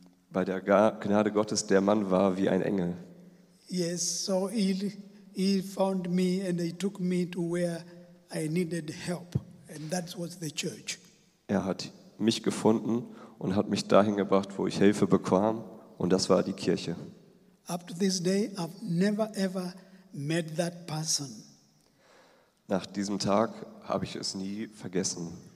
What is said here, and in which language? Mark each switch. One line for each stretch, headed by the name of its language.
German: Bei der Gnade Gottes, der Mann war wie ein Engel.
English: Yes, so he found me and he took me to where I needed help, and that was the church.
German: Er hat mich gefunden und hat mich dahin gebracht, wo ich Hilfe bekam, und das war die Kirche.
English: Up to this day, I've never ever met that person.
German: Nach diesem Tag habe ich es nie vergessen.